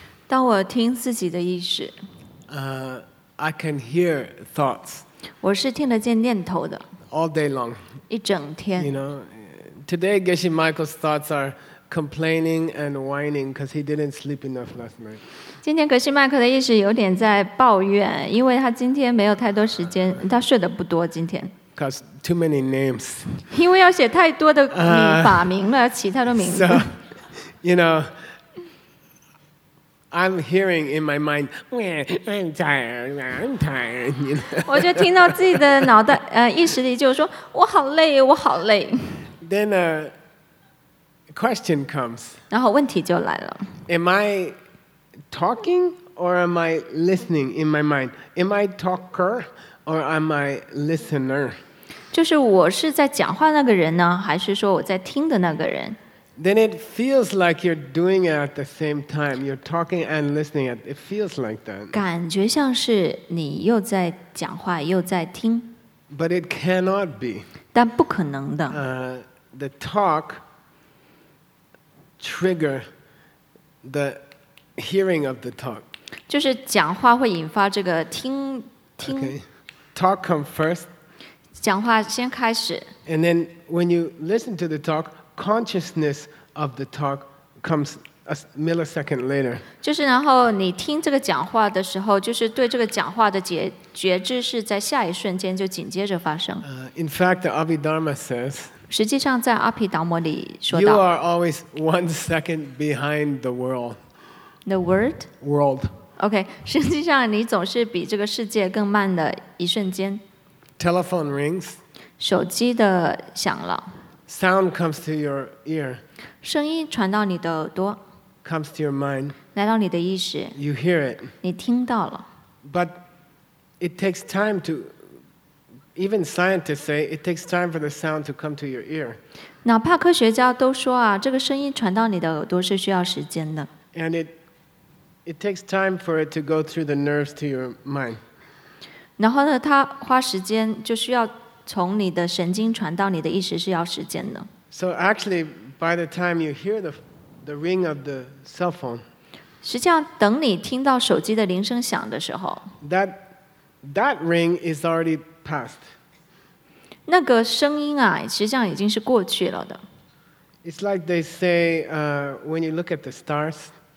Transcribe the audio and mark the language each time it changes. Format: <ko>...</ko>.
<zh>当我听自己的意识</zh> <en>I can hear thoughts.</en> <zh>我是听得见念头的。</zh> <en>All day long.</en> <zh>一整天。</zh> <en>You know, today Geshe Michael's thoughts are complaining and whining because he didn't sleep enough last night.</en> <zh>今天格西麦克的意识有点在抱怨，因为他今天没有太多时间，他睡得不多今天。</zh> <en>Because too many names.</en> <zh>因为要写太多的法名了，起太多名字。</zh> <en>So, you know, I'm hearing in my mind, I'm tired. You know?</en> <zh>我就听到自己的脑袋意识里就说我好累，我好累。</zh> <en>Then a question comes.</en> <zh>然后问题就来了。</zh> <en>Am I? Talking or am I listening in my mind? Am I talker or am I listener?</en> <zh>就是我是在讲话那个人呢，还是说我在听的那个人？</zh> <en>Then it feels like you're doing it at the same time. You're talking and listening. It feels like that.</en> <zh>感觉像是你又在讲话又在听。</zh> <en>But it cannot be.</en> <zh>但不可能的。</zh> <en>The talk trigger the. Hearing of the talk,</en> <zh>就是讲话会引发这个听。</zh> <en>Okay, talk come first.</en> <zh>讲话先开始。</zh> <en>And then when you listen to the talk, consciousness of the talk comes a millisecond later.</en> <zh>就是然后你听这个讲话的时候，就是对这个讲话的觉知是在下一瞬间就紧接着发生。</zh> <en>In fact, the Abhidharma says.</en> <zh>实际上在阿毗达摩里说到</zh> <en>You are always 1 second behind the world. The word? World.</en> <zh>OK, 实际上你总是比这个世界更慢的一瞬间。</zh> <en>Telephone rings.</en> <zh>手机的响了。</zh> <en>Sound comes to your ear.</en> <zh>声音传到你的耳朵。</zh> <en>Comes to your mind.</en> <zh>来到你的意识。</zh> <en>You hear it.</en> <zh>你听到了。</zh> <en>But it takes time to... Even scientists say it takes time for the sound to come to your ear.</en> <zh>哪怕科学家都说啊，这个声音传到你的耳朵是需要时间的。</zh> <en>And it takes time for it to go through the nerves to your mind.</en> <zh>然后呢，它花时间就需要从你的神经传到你的意识是要时间的。</zh> <en>So actually, by the time you hear the ring of the cell phone,</en> <zh>实际上等你听到手机的铃声响的时候</zh> <en>that ring is already Past.</en> <zh>那个声音啊，实际上已经是过去了的。</zh> <en>It's like they say, when you look at the stars.</en>